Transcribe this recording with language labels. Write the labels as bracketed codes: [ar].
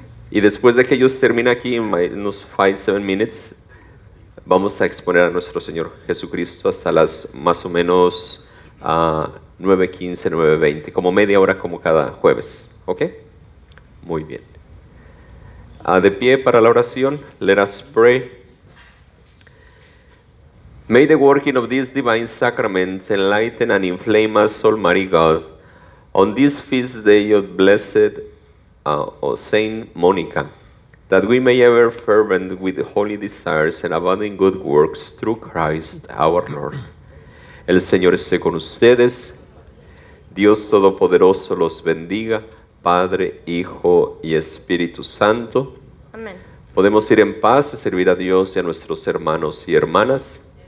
[es] Y después de que ellos terminen aquí, en unos 5-7 minutes, vamos a exponer a nuestro Señor Jesucristo hasta las más o menos 9:15, 9:20, como media hora como cada jueves. ¿Ok? Muy bien. De pie para la oración, [en] let us pray. May the working of this divine sacrament enlighten and inflame us, Almighty God, on this feast day of Blessed Saint Monica, that we may ever fervent with holy desires and abounding good works through Christ our Lord. [es] El Señor esté con ustedes. Dios Todopoderoso los bendiga, Padre, Hijo y Espíritu Santo. Amén. Podemos ir en paz y servir a Dios y a nuestros hermanos y hermanas.